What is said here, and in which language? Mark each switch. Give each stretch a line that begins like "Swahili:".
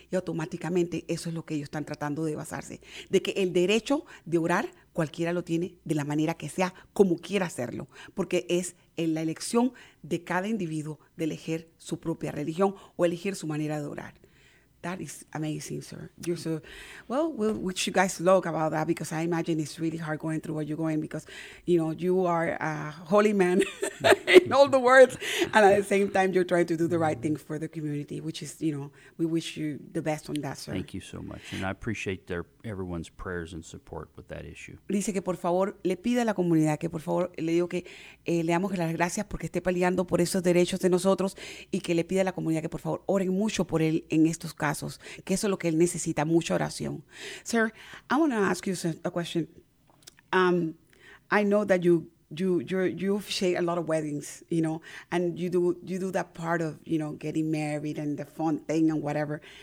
Spanish: Y automáticamente eso es lo que ellos están tratando de basarse. De que el derecho de orar, cualquiera lo tiene de la manera que sea, como quiera hacerlo. Porque es en la elección de cada individuo de elegir su propia religión o elegir su manera de orar.
English: That is amazing, sir. You're so, well, we wish you guys luck about that because I imagine it's really hard going through what you're going because, you know, you are a holy man in all the words. And at the same time, you're trying to do the right thing for the community, which is, you know, we wish you the best on that, sir. Thank you so much. And I appreciate everyone's prayers and support with that issue.
Spanish: Dice que por favor le pida a la comunidad que por favor le digo que le damos las gracias porque esté peleando por esos derechos de nosotros y que le pida a la comunidad que por favor oren mucho por él en estos casos, que eso es lo que él necesita, mucha oración.
English: Sir, I want to ask you a question. I know that you officiate a lot of weddings, you know, and you do that part of, you know, getting married and the fun thing and whatever.